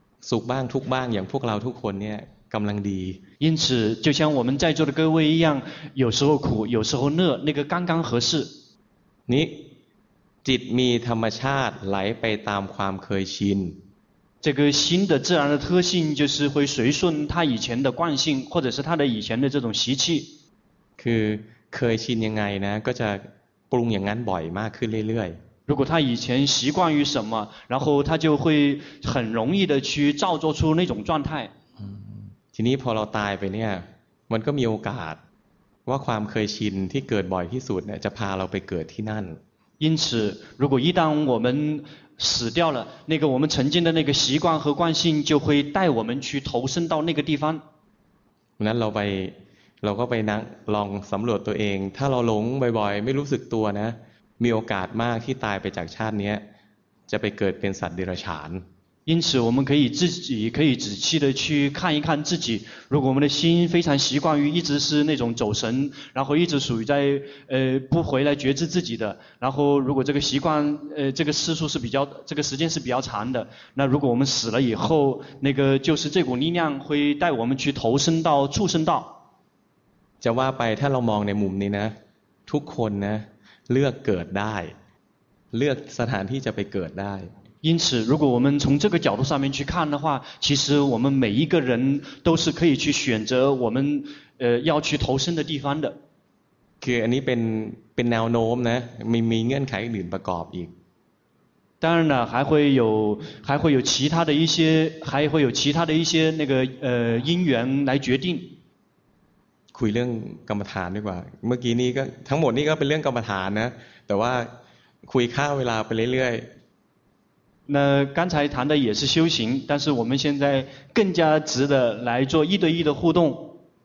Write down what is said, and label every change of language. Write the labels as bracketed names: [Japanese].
[Thai] สุขบ้างทุกบ้างอย่างพวกเราทุกคนเนี่ยกำลังดี [Chinese] 因此就像我们在座的各位一样有时候苦有时候乐那个刚刚合适 [Thai] นี้จิตมีธรรมชาติไหลไปตามความเคยชิน [Chinese] 这个心的自然的特性就是会随顺它以前的惯性或者是它的以前的这种习气 [Thai] คือเคยชินยังไงนะก็จะปรุงอย่างนั้นบ่อยมากขึ้นเรื่อยๆ [Chinese] 如果他以前习惯于什么，然后他就会很容易的去造作出那种状态。 [Thai] ทีนี้พอเราตายไปเนี่ยมันก็มีโอกาสว่าความเคยชินที่เกิดบ่อยที่สุดเนี่ยจะพาเราไปเกิดที่นั่น [Chinese] 因此如果一旦我们死掉了那个我们曾经的那个习惯和惯性就会带我们去投身到那个地方 [Thai] นั้นเราก็ไปนั่งลองสำรวจตัวเองถ้าเราหลงบ่อยๆไม่รู้สึกตัวนะมีโอกาสมากที่ตายไปจากชาตินี้จะไปเกิดเป็นสัตว์เดรัจฉาน [Chinese] 因此我们可以自己可以仔细的去看一看自己如果我们的心非常习惯于一直是那种走神然后一直属于在不回来觉知自己的然后如果这个习惯这个次数是比较这个时间是比较长的那如果我们死了以后那个就是这股力量会带我们去投身到畜生道 [Thai] จะว่าไปถ้าเรามองในมุมนี้นะทุกคนนะเลือกเกิดได้เลือกสถานที่จะไปเกิดได้ [Chinese] 因此如果我们从这个角度上面去看的话其实我们每一个人都是可以去选择我们要去投身的地方的 [Thai] คืออันนี้เป็นแนวโน้มนะมีเงื่อนไขอื่นประกอบอีก [Chinese] 当然了还会有其他的一些还会有其他的一些那个因缘来决定 [Thai] คุยเรื่องกรรมฐานดีกว่าเมื่อกี้นี้ก็ทั้งหมดนี้ก็เป็นเรื่องกรรมฐานนะแต่ว่าคุยข้าวเวลาไปเรื่อยๆ [Chinese] 那刚才谈的也是修行但是我们现在更加值得来做一对一的互动